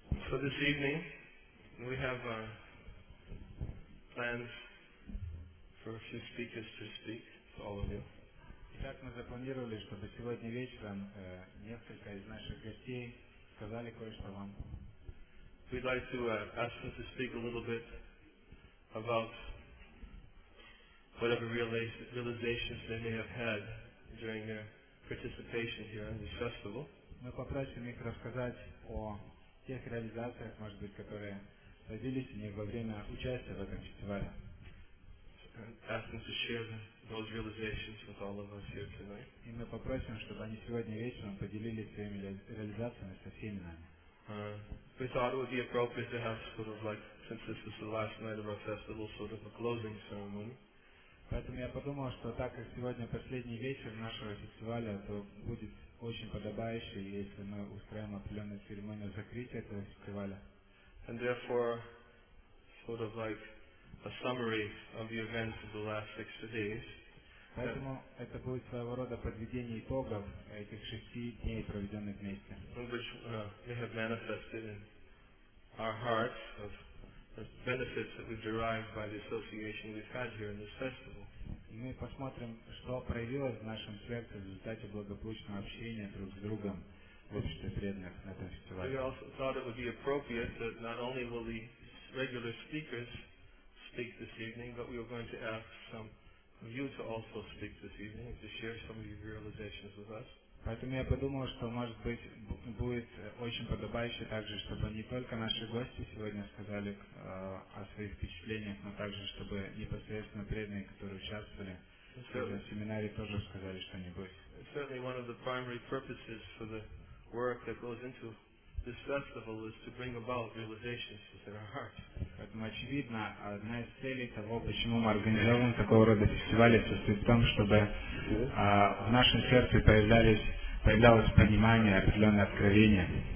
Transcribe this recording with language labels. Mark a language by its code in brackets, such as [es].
[en] So this evening we have plans for a few speakers to speak, for all of you. [ru] Итак, мы запланировали, чтобы сегодня вечером несколько из наших гостей сказали кое-что вам. [en] We'd like to ask them to speak a little bit about whatever realizations they may have had during their participation here in this festival. [ru] Мы попросим их рассказать о тех реализациях, может быть, которые родились у них во время участия в этом фестивале. [en] Ask them to share those realizations with all of us here tonight. [ru] И мы попросим, чтобы они сегодня вечером поделились своими реализациями со всеми нами. [en] We thought it would be appropriate to have sort of like, since this is the last night of our festival, sort of a closing ceremony. [ru] Поэтому я подумал, что так как сегодня последний вечер нашего фестиваля, то будет очень подобающе, если мы устроим определенную церемонию закрытия этого фестиваля. [en] And therefore, sort of like a summary of the events of the last 6 days. [ru] Поэтому это будет своего рода подведение итогов этих 6 дней, проведенных вместе. [en] Which they have manifested in our hearts of the benefits that we've derived by the association we've had here in this festival. [ru] И мы посмотрим, что проявилось в нашем сердце в результате благополучного общения друг с другом в обществе преданных на этом фестивале. [en] We also thought it would be appropriate that not only will the regular speakers speak this evening, but we are going to ask some of you to also speak this evening and to share some of your realizations with us. [ru] Поэтому я подумал, что, может быть, будет очень подобающе также, чтобы не только наши гости сегодня сказали о своих впечатлениях, но также, чтобы непосредственно преданные, которые участвовали на семинаре, тоже сказали что-нибудь. [en] Certainly one of the primary purposes for the work that goes into this festival is to bring about realizations within our hearts. [ru] Поэтому очевидно, одна из целей того, почему мы организовываем такого рода фестивали, состоит в том, чтобы в нашем сердце появлялось понимание, определенное откровение.